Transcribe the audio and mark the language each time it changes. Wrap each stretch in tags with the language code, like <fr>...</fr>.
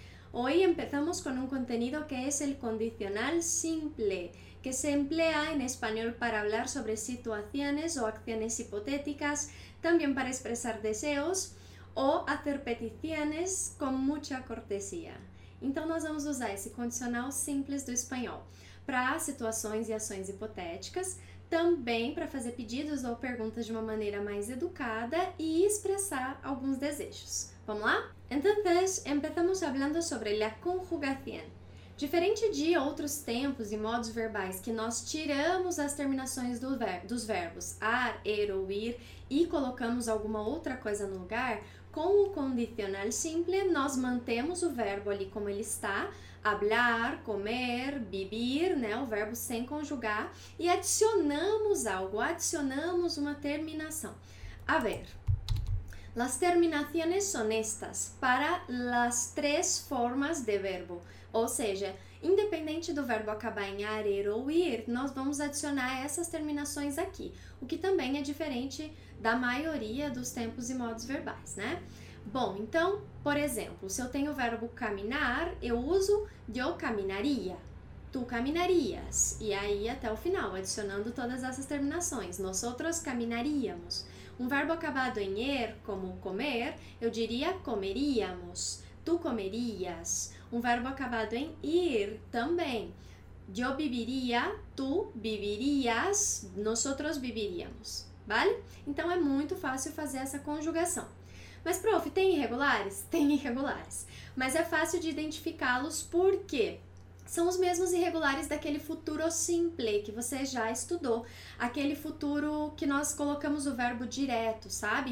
<es>Hoy empezamos con un contenido que es el condicional simple, que se emplea en español para hablar sobre situaciones o acciones hipotéticas, también para expresar deseos o hacer peticiones con mucha cortesía.</es> <pt>Entonces, nós vamos usar esse condicional simples do espanhol para situações e ações hipotéticas, também para fazer pedidos ou perguntas de uma maneira mais educada e expressar alguns desejos. Vamos lá?</pt> <es>Entonces, empezamos hablando sobre la conjugación.</es> <pt>Diferente de outros tempos e modos verbais que nós tiramos as terminações dos verbos ar, er ou ir e colocamos alguma outra coisa no lugar, com o condicional simple, nós mantemos o verbo ali como ele está, hablar, comer, vivir, né, o verbo sem conjugar, e adicionamos algo, adicionamos uma terminação.</pt> <es>A ver, las terminaciones son estas para las tres formas de verbo.</es> <pt>Ou seja, independente do verbo acabar em ar, er ou ir, nós vamos adicionar essas terminações aqui, o que também é diferente da maioria dos tempos e modos verbais, né? Bom, então, por exemplo, se eu tenho o verbo caminhar, eu uso</pt> <es>yo caminaria, tu caminarias,</es> <pt>e aí até o final, adicionando todas essas terminações,</pt> <es>nosotros caminaríamos.</es> <pt>Um verbo acabado em er, como comer, eu diria</pt> <es>comeríamos, tu comerias.</es> <pt>Um verbo acabado em ir, também.</pt> <es>Yo viviría, tu vivirías, nosotros viviríamos. Vale?</es> <pt>Então, é muito fácil fazer essa conjugação. Mas, prof, tem irregulares? Tem irregulares. Mas é fácil de identificá-los porque são os mesmos irregulares daquele futuro simple que você já estudou. Aquele futuro que nós colocamos o verbo direto, sabe?</pt>